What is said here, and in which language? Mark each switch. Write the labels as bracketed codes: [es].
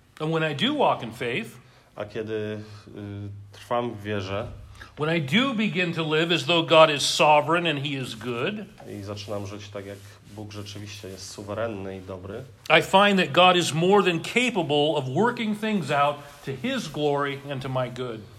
[en] and when I do walk in faith, [pl] a kiedy trwam w wierze, [en] when I do begin to live as though God is sovereign and he is good, [pl] i zaczynam żyć tak, jak Bóg rzeczywiście jest suwerenny i dobry. [en] I find that God is more than capable of working things out to his glory and to my good.